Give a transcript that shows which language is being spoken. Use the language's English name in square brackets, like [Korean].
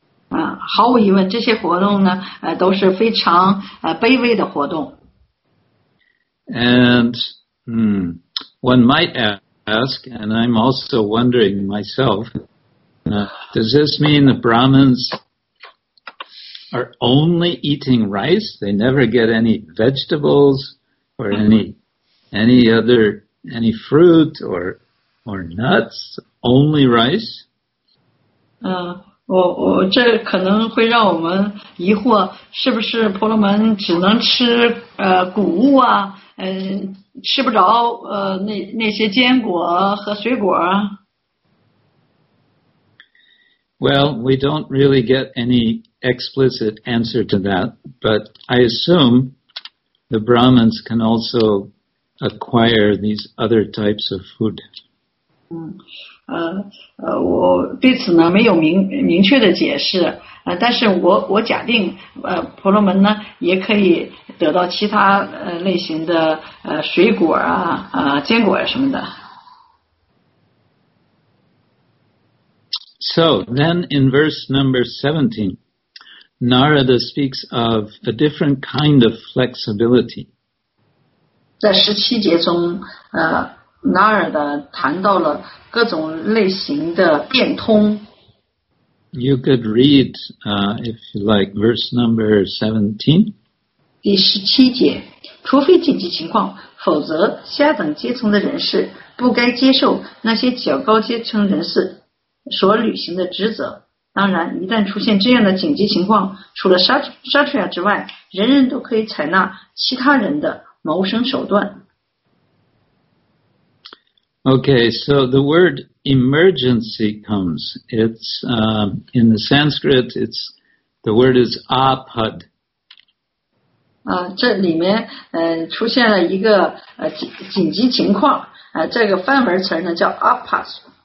[Chinese] 毫无疑问，这些活动呢，都是非常卑微的活动。 [English] And one might ask, and I'm also wondering myself, does this mean the Brahmins are only eating rice? They never get any vegetables or any fruit or nuts, only rice? [Chinese] 我这可能会让我们疑惑，是不是婆罗门只能吃谷物啊？吃不着那些坚果和水果啊？ [English] Well, we don't really get any explicit answer to that, but I assume the Brahmins can also acquire these other types of food. [Chinese] 我对此呢没有明确的解释，但是我假定婆罗门呢也可以得到其他类型的水果啊坚果啊什么的。 [English] So then in verse number 17, Narada speaks of a different kind of flexibility. [Chinese] 在十七节中Narada 谈到了各种类型的变通。 [English] You could read, if you like, verse number 17. [Chinese] 第十七节，除非紧急情况，否则下等阶层的人士不该接受那些较高阶层人士所履行的职责。当然，一旦出现这样的紧急情况，除了Kshatriya之外，人人都可以采纳其他人的谋生手段。 [English] Okay, so the word emergency comes. It's, in the Sanskrit, it's, the word is apad. [Chinese] 这里面出现了一个紧急情况，这个范文词呢叫 apas.